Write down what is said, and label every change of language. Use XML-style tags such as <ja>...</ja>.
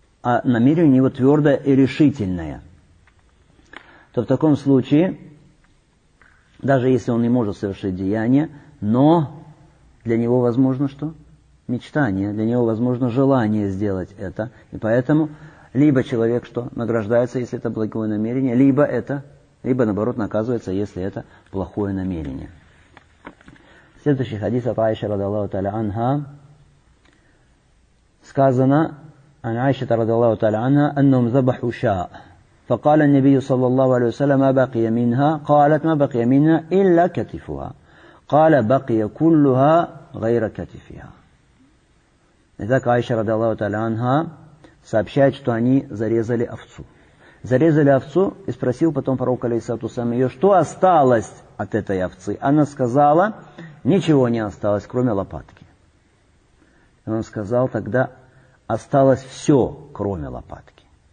<ru>А намерение у него твердое и решительное. То в таком случае, даже если он не может совершить деяние, но для него возможно что? Мечтание. Для него возможно желание сделать это. И поэтому либо человек что? Награждается, если это благое намерение, либо это либо наоборот наказывается, если это плохое намерение. Следующий хадис от Аиши радиаллаху тааля анха. Сказано</ru> <ar>عن عائشة رضي الله تعالى عنها أنهم ذبحوا شاء فقال النبي صلى الله عليه وسلم ما بقي منها قالت ما بقي منها إلا كتفها قال بقي كلها غير كتفها.</ar> <ru>Итак,</ru> <ar>عائشة رضي الله تعالى عنها</ar> <ru>сообщает, что они зарезали овцу. Зарезали овцу и спросил потом пророк алейхиссалям ее, что осталось от этой овцы. Она сказала, ничего не осталось, кроме лопатки. И он сказал тогда, осталось все, кроме лопатки.</ru>